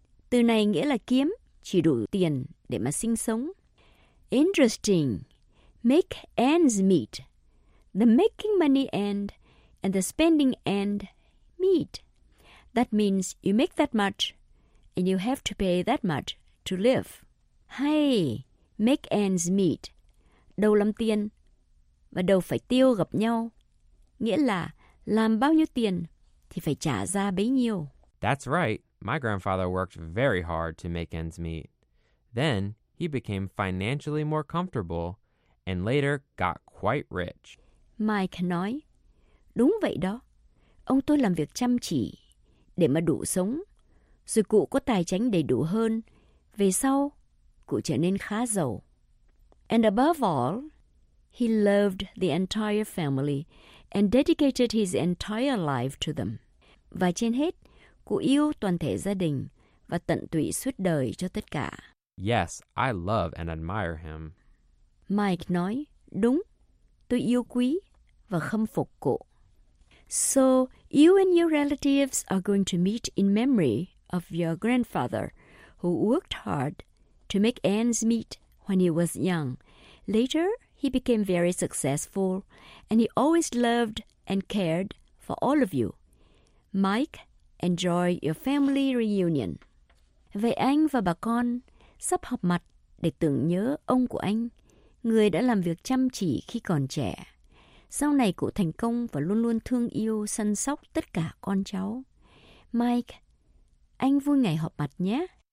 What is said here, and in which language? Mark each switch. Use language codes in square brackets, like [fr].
[vi] Từ này nghĩa là kiếm, chỉ đủ tiền để mà sinh sống. [en] Interesting. Make ends meet. The making money end and the spending end meet. That means you make that much and you have to pay that much to live. [vi] Hay, [en] make ends meet. [vi] Đầu làm tiền và đầu phải tiêu gặp nhau. Nghĩa là làm bao nhiêu tiền thì phải trả ra bấy nhiêu. [en] That's right. My grandfather worked very hard to make ends meet. Then he became financially more comfortable and later got quite rich. [vi] Mike nói, đúng vậy đó. Ông tôi làm việc chăm chỉ để mà đủ sống. Rồi cụ có tài chính đầy đủ hơn. Về sau, cụ trở nên khá giàu. [en] And above all, he loved the entire family and dedicated his entire life to them. [vi] Và trên hết, cụ yêu toàn thể gia đình và tận tụy suốt đời cho tất cả. [en] Yes, I love and admire him. [vi] Mike nói, đúng, tôi yêu quý và khâm phục cụ. [en] So, you and your relatives are going to meet in memory of your grandfather, who worked hard to make ends meet when he was young. Later, he became very successful, and he always loved and cared for all of you. Mike, enjoy your family reunion. [vi] Vậy anh và bà con sắp họp mặt để tưởng nhớ ông của anh, người đã làm việc chăm chỉ khi còn trẻ. Sau này cụ thành công và luôn luôn thương yêu, săn sóc tất cả con cháu. Mike, anh vui ngày họp mặt nhé.